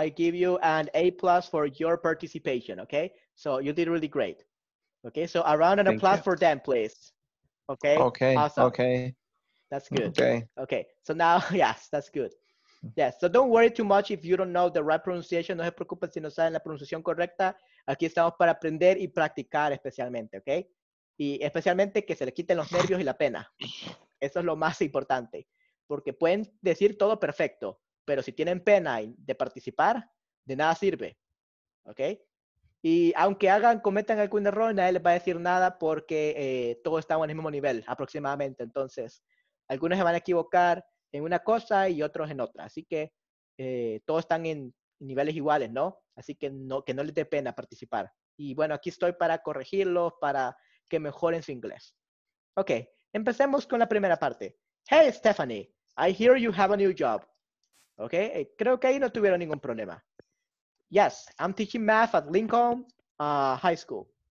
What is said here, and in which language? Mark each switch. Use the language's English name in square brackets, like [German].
[English] I give you an A+ for your participation, okay? So you did really great. Okay, so a round and a plus for them, please. Okay? Okay, awesome. Okay. That's good. Okay. Okay, so now, yes, that's good. Yes, so don't worry too much if you don't know the right pronunciation. [Spanish] No se preocupen si no saben la pronunciación correcta. Aquí estamos para aprender y practicar especialmente, okay? Y especialmente que se le quiten los nervios y la pena. Eso es lo más importante. Porque pueden decir todo perfecto, pero si tienen pena de participar, de nada sirve. ¿Ok? Y aunque cometan algún error, nadie les va a decir nada porque todos estamos en el mismo nivel aproximadamente. Entonces, algunos se van a equivocar en una cosa y otros en otra. Así que todos están en niveles iguales, ¿no? Así que no les dé pena participar. Y bueno, aquí estoy para corregirlos, para que mejoren su inglés. Ok, empecemos con la primera parte. [English] Hey, Stephanie, I hear you have a new job. [Spanish] Ok, creo que ahí no tuvieron ningún problema. [English] Yes, I'm teaching math at Lincoln High School.